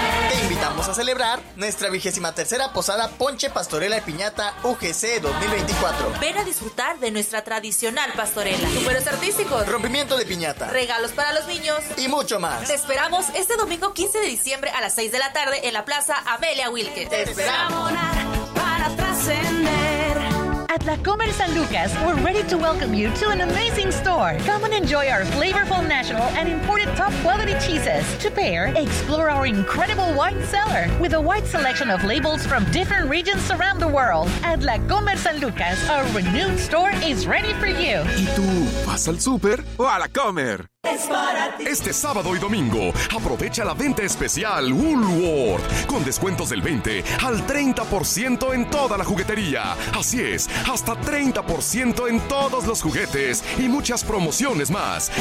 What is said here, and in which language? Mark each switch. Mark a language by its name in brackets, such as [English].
[Spanish] Te invitamos a celebrar nuestra 23ª posada Ponche Pastorela y Piñata UGC 2024. Ven a disfrutar de nuestra tradicional pastorela, números artísticos, rompimiento de piñata, regalos para los niños y mucho más. Te esperamos este domingo 15 de diciembre a las 6 de la tarde en la Plaza Amelia Wilke. Te esperamos. [English] At La Comer San Lucas, we're ready to welcome you to an amazing store. Come and enjoy our flavorful national and imported top quality cheeses. To pair, explore our incredible wine cellar with a wide selection of labels from different regions around the world. At La Comer San Lucas, our renewed store is ready for you. [Spanish] ¿Y tú? ¿Vas al súper o a La Comer? Es para ti. Este sábado y domingo, aprovecha la venta especial Woolworth con descuentos del 20 al 30% en toda la juguetería. Así es, hasta 30% en todos los juguetes y muchas promociones más.